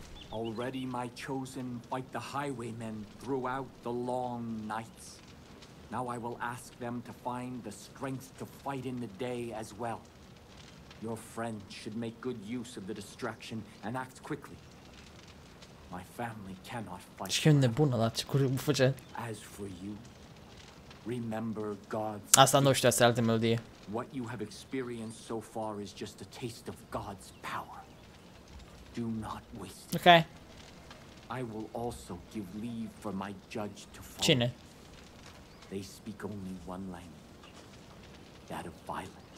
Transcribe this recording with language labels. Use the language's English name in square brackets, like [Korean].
[English] Already my chosen fight the highwaymen throughout the long nights. Now I will ask them to find the strength to fight in the day as well. Your friend should make good use of the distraction and act quickly. My family cannot fight. [Romanian] Ce nebună, la ce curie mă face? [English] As for you, remember God's... [Romanian] Asta nu știu, asta e altă melodie. [English] What you have experienced so far is just a taste of God's power. Do not waste it. Okay. I will also give leave for my judge to follow. [Romanian] Cine? [English] They speak only one language, that of violence.